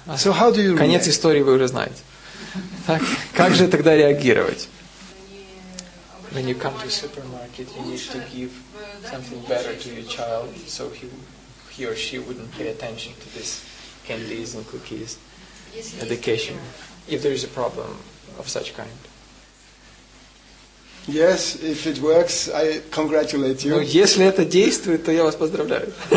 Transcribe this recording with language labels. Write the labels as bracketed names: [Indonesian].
[English] So how do you? [Russian] Конец истории вы уже знаете. Так, как же тогда реагировать? [English] When you come to a supermarket, you need to give something better to your child so he or she wouldn't pay attention to these candies and cookies, education, if there is a problem of such kind. Yes, if it works, I congratulate you. [Russian] Ну, если это действует, то я вас поздравляю.